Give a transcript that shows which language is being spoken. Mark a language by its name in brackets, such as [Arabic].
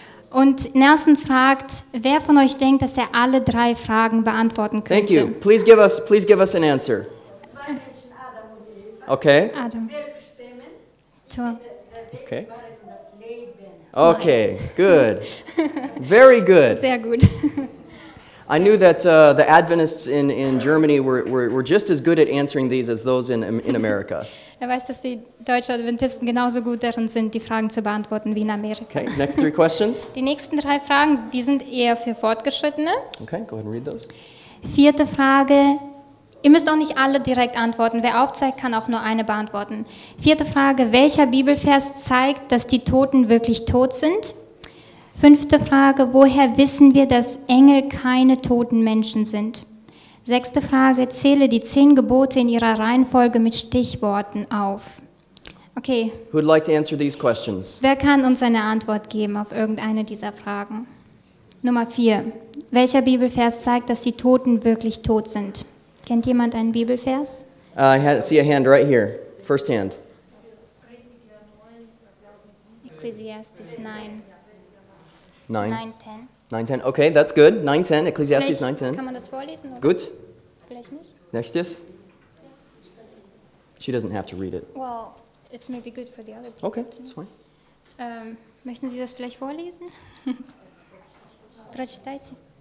[German] Und Nelson fragt, wer von euch denkt, dass er alle 3 Fragen beantworten könnte? [English] Thank you. Please give us an answer. [German] 2 Menschen, Adam und Eva. Okay. Adam. 12 Stämme. [English] Okay. Okay, good. Very good. [German] Sehr gut. [English] I knew that the Adventists in Germany were just as good at answering these as those in America. [German] Er weiß, dass die deutschen Adventisten genauso gut darin sind, die Fragen zu beantworten wie in Amerika. [English] Okay, next 3 questions. [German] Die nächsten 3 Fragen, die sind eher für Fortgeschrittene. [English] Okay, go ahead and read those. [German] Vierte Frage. Ihr müsst auch nicht alle direkt antworten. Wer aufzeigt, kann auch nur eine beantworten. Vierte Frage, welcher Bibelvers zeigt, dass die Toten wirklich tot sind? Fünfte Frage, woher wissen wir, dass Engel keine toten Menschen sind? Sechste Frage, zähle die 10 Gebote in ihrer Reihenfolge mit Stichworten auf. Okay. [English] Who would like to answer these questions? [German] Wer kann uns eine Antwort geben auf irgendeine dieser Fragen? Nummer 4, welcher Bibelvers zeigt, dass die Toten wirklich tot sind? Kennt jemand einen Bibelvers? [English] I see a hand right here, first hand. Ecclesiastes 9:10. Okay, that's good. 9:10. Ecclesiastes 9:10. [German] Kann man das vorlesen? Oder? Gut. Vielleicht nicht. Nächstes. [English] She doesn't have to read it. Well, it's maybe good for the other people. Okay, that's fine. [German] Möchten Sie das vielleicht vorlesen? [Russian] Прочитайте.